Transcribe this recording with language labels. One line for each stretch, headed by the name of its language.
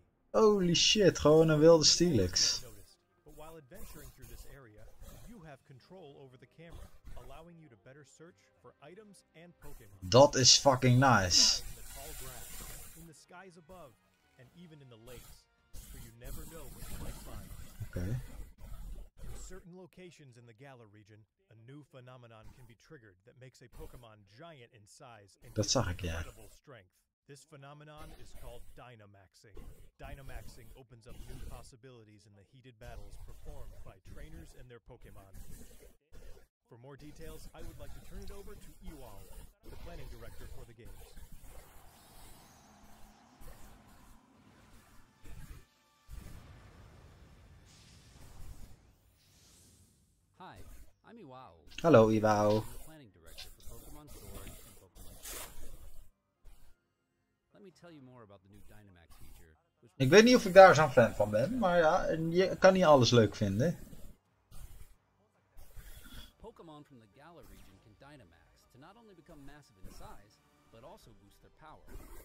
English: Holy shit,
Dutch: gewoon een wilde Steelix.
English: But while adventuring through this area, you have control over the camera, allowing you to better search for items and Pokémon.
Dutch: Dat is fucking nice.
English: In the skies above and even in the lakes, for you never know what you might find. Okay. In certain locations in the Galar region, a new phenomenon can be triggered that makes a Pokémon giant in size and incredible strength. This phenomenon is called Dynamaxing. Dynamaxing opens up new possibilities in the heated battles performed by trainers and their Pokémon. For more details, I would like to turn it over to Ewall, the planning director for the games. Hi, I'm Iwao.
Dutch: Hallo Iwao.
English: Planning director for Pokémon Sword and Pokémon Shield. Let me tell you more about the new Dynamax feature.
Dutch: Ik weet niet of ik daar zo'n fan van ben, maar ja, je kan niet alles leuk vinden.
English: Pokémon from the Galar region can Dynamax to not only become massive in size, but also boost their power.